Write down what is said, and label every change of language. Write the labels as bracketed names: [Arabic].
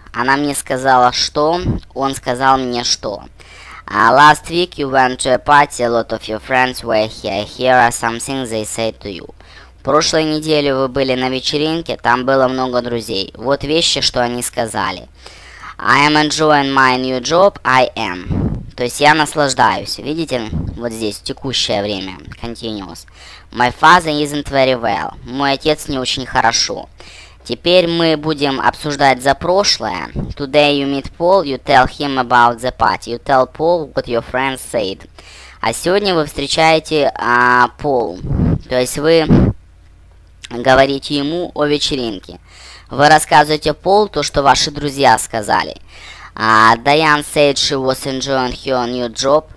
[Russian] Она мне сказала что, он сказал мне что. [English] Last week you went to a party, a lot of your friends were here. Here are some things they said to you. [Russian] Прошлой неделе вы были на вечеринке, там было много друзей. Вот вещи, что они сказали. [English] I am enjoying my new job, I am. [Russian] То есть я наслаждаюсь. Видите, вот здесь, текущее время, continuous. [English] My father isn't very well. [Russian] Мой отец не очень хорошо. Теперь мы будем обсуждать за прошлое. [English] Today you meet Paul, you tell him about the party. You tell Paul what your friends said. [Russian] А сегодня вы встречаете Paul. То есть вы говорите ему о вечеринке. Вы рассказываете Paul то, что ваши друзья сказали. [English] Diane said she was enjoying her new job.